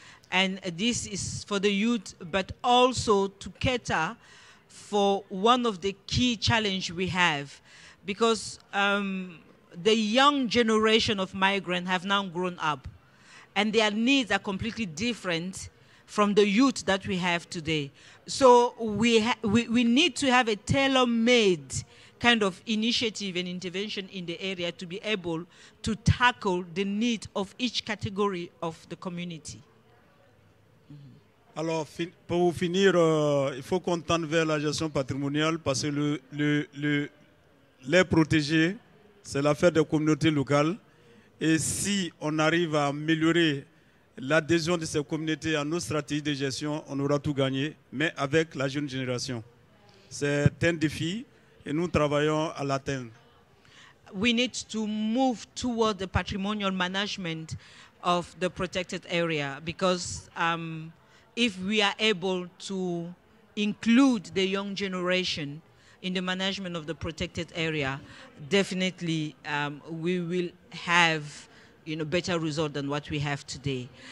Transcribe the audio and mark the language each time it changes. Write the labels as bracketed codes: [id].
[en] And this is for the youth, but also to cater for one of the key challenges we have, because the young generation of migrants have now grown up, and their needs are completely different from the youth that we have today. So we need to have a tailor-made kind of initiative and intervention in the area to be able to tackle the need of each category of the community. [fr] Alors, pour finir, il faut qu'on tende vers la gestion patrimoniale parce que les protéger, c'est l'affaire des communautés locales. Et si on arrive à améliorer l'adhésion de ces communautés à nos stratégies de gestion, on aura tout gagné, mais avec la jeune génération. C'est un défi et nous travaillons à l'atteindre. [en] We need to move toward the patrimonial management of the protected area because if we are able to include the young generation in the management of the protected area, definitely we will have better result than what we have today.